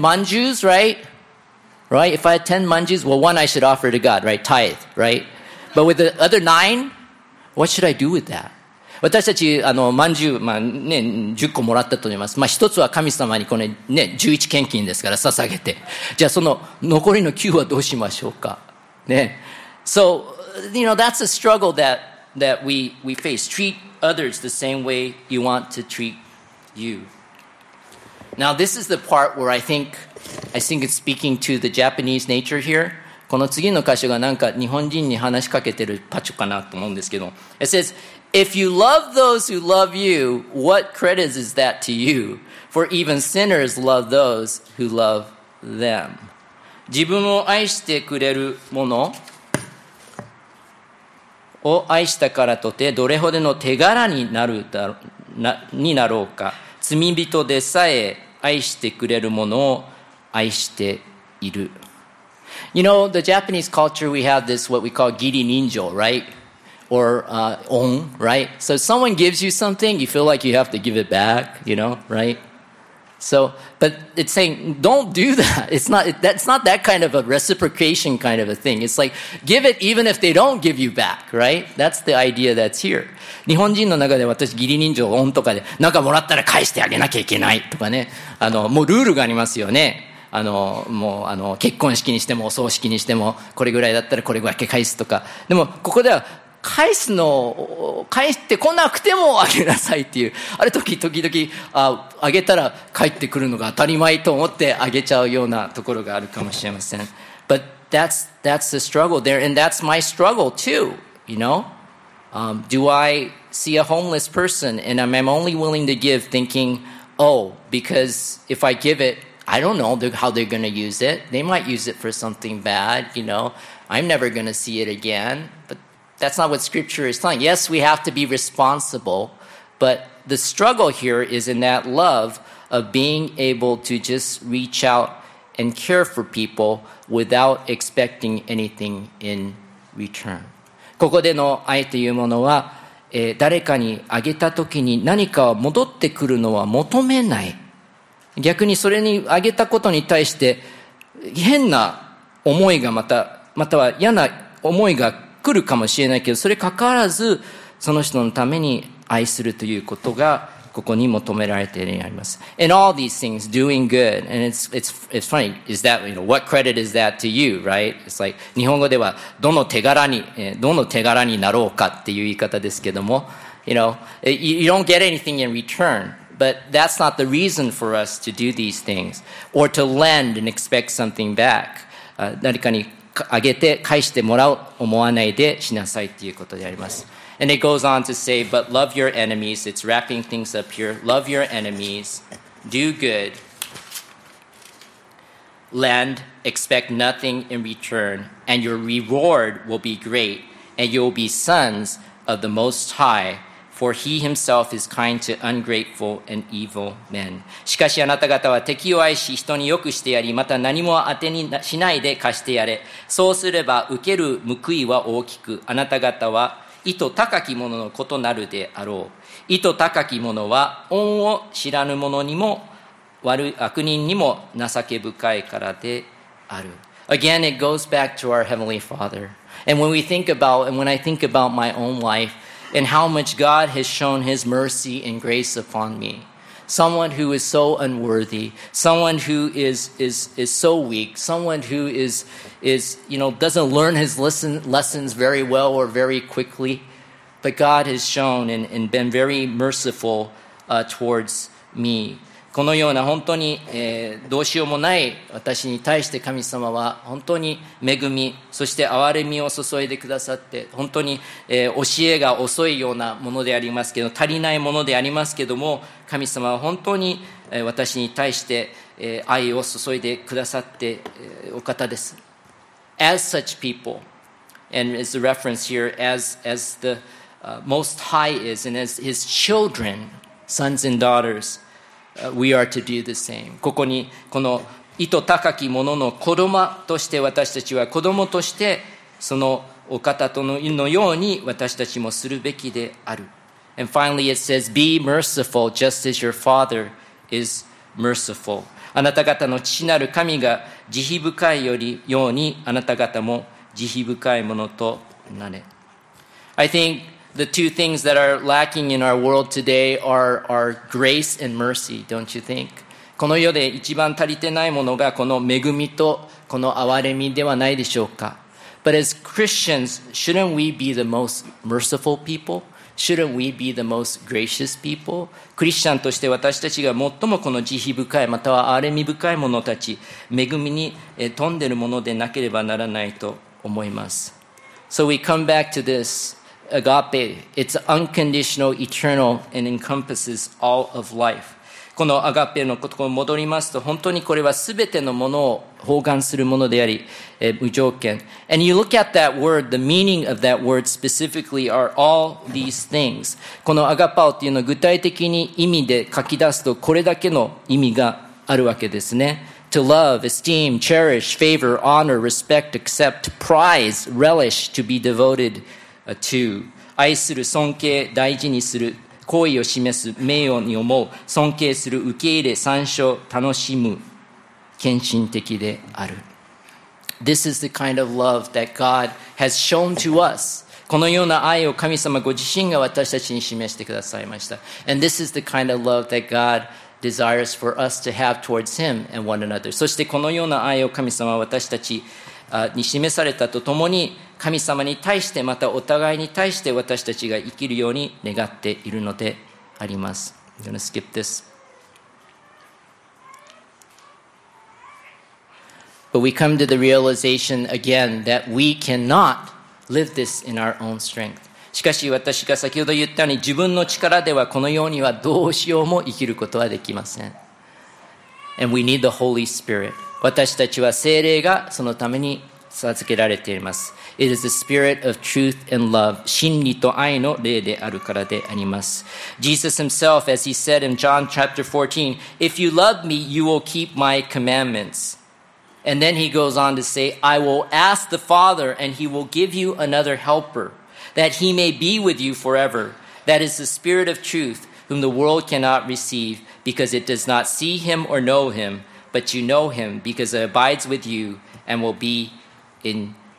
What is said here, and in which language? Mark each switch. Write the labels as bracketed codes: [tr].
[en] If I have 10 manjus, well, one I should offer to God, right? Tithe, right? But with the other nine, what should I do with that? [ja] 私たち、まんじゅう、ね、十個もらったと思います。一つは神様にこれね、十一献金ですから捧げて。じゃあその残りの九はどうしましょうか。ね。 [en] So, you know, that's a struggle that we face. Treat others the same way you want to treat you. Now, this is the part where I think it's speaking to the Japanese nature here. [ja] この次の箇所がなんか日本人に話しかけてるパチョかなと思うんですけど。 [en] It says, If you love those who love you, what credit is that to you? For even sinners love those who love them. [ja] 自分を愛してくれる者を愛したからとて、どれほどの手柄になろうか。罪人でさえ愛してくれる者を愛している。 [en] You know, the Japanese culture, we have this, what we call giri ninjo, right? Or on, right? So if someone gives you something, you feel like you have to give it back, you know, right? So, but it's saying, don't do that. It's not, that's not that kind of a reciprocation kind of a thing. It's like, give it even if they don't give you back, right? That's the idea that's here. [ja] 日本人の中で私、義理人情恩とかで、なんかもらったら返してあげなきゃいけないとかね。もうルールがありますよね。もう結婚式にしても、お葬式にしても、これぐらいだったらこれぐらい返すとか。でも、ここでは、返すの、返してこなくてもあげなさいっていう。ある時、時々、あげたら帰ってくるのが当たり前と思ってあげちゃうようなところがあるかもしれません。 [en] But that's the struggle there, and that's my struggle too, you know? Do I see a homeless person and I'm only willing to give thinking, oh, because if I give it, I don't know how they're going to use it. They might use it for something bad, you know. I'm never going to see it again, but... That's not what scripture is telling. Yes, we have to be responsible, but the struggle here is in that love of being able to just reach out and care for people without expecting anything in return. [ja] ここでの愛というものは、誰かにあげた時に何か戻ってくるのは求めない。逆にそれにあげたことに対して変な思いがまたは嫌な思いが来るかもしれないけど、それかかわらずその人のために愛するということがここに求められているあります。 [en] And all these things, doing good, and it's funny. Is that, you know, what credit is that to you, right? It's like [ja] 日本語ではどの手柄になろうかっていう言い方ですけども、 [en] you know, you don't get anything in return. But that's not the reason for us to do these things or to lend and expect something back. [ja] 誰かにあげて返してもらう思わないでしなさいということであります。 [en] And it goes on to say, but love your enemies. It's wrapping things up here. Love your enemies. Do good. Lend. Expect nothing in return. And your reward will be great. And you'll be sons of the Most High. For he himself is kind to ungrateful and evil men. [ja] しかしあなた方は敵を愛し人によくしてやり、また何も当てにしないで貸してやれ。そうすれば受ける報いは大きく、あなた方は意図高き者のことなるであろう。意図高き者は恩を知らぬ者にも悪人にも情け深いからである。 [en] Again, it goes back to our Heavenly Father. And when we think about, and when I think about my own lifeAnd how much God has shown his mercy and grace upon me. Someone who is so unworthy. Someone who is so weak. Someone who is, you know, doesn't learn his lessons very well or very quickly. But God has shown and been very merciful, towards me. [ja] このような本当に、どうしようもない私に対して神様は本当に恵み、そして憐れみを注いでくださって、本当に、教えが遅いようなものでありますけど、足りないものでありますけども、神様は本当に、私に対して、愛を注いでくださって、お方です。 [en] As such people, and as the reference here, as the Most High is, and as his children, sons and daughtersWe are to do the same. [ja] ここにこの意図高き者の子供として、私たちは子供としてそのお方とのように私たちもするべきである。 [en] And finally it says, be merciful just as your father is merciful. [ja] あなた方の父なる神が慈悲深いよりように、あなた方も慈悲深いものとなれ。 [en] I thinkThe two things that are lacking in our world today are grace and mercy, don't you think? [ja] この世で一番足りてないものがこの恵みとこの憐れみではないでしょうか? [en] But as Christians, shouldn't we be the most merciful people? Shouldn't we be the most gracious people? [ja] クリスチャンとして私たちが最もこの慈悲深い、または憐れみ深い者たち、恵みに富んでるものでなければならないと思います。 [en] So we come back to this. Agape, it's unconditional, eternal, and encompasses all of life. [ja] このアガペのことに戻りますと、本当にこれはすべてのものを包含するものであり、無条件。 [en] And you look at that word, the meaning of that word specifically are all these things. [ja] このアガパオというのを具体的に意味で書き出すと、これだけの意味があるわけですね。 [en] To love, esteem, cherish, favor, honor, respect, accept, prize, relish, to be devoted.To [ja] 愛する、尊敬、大事にする、好意を示す、名誉に思う、尊敬する、受け入れ、参照、楽しむ、献身的である。 [en] This is the kind of love that God has shown to us. [ja] このような愛を神様ご自身が私たちに示してくださいました。 [en] And this is the kind of love that God desires for us to have towards Him and one another. [ja] そしてこのような愛を神様は私たちに示されたとともに、神様に対してまたお互いに対して私たちが生きるように願っているのであります。 [en] I'm going to skip this. But we come to the realization again that we cannot live this in our own strength. [ja] しかし私が先ほど言ったように自分の力ではこのようにはどうしようも生きることはできません。 [en] And we need the Holy Spirit. [ja] 私たちは聖霊がそのために授けられています。 [en] It is the spirit of truth and love. [ja] 真理と愛の霊であるからであります。 [en] Jesus himself, as he said in John chapter 14, if you love me, you will keep my commandments. And then he goes on to say, I will ask the Father and he will give you another helper that he may be with you forever. That is the spirit of truth whom the world cannot receive because it does not see him or know him, but you know him because it abides with you and will be in you.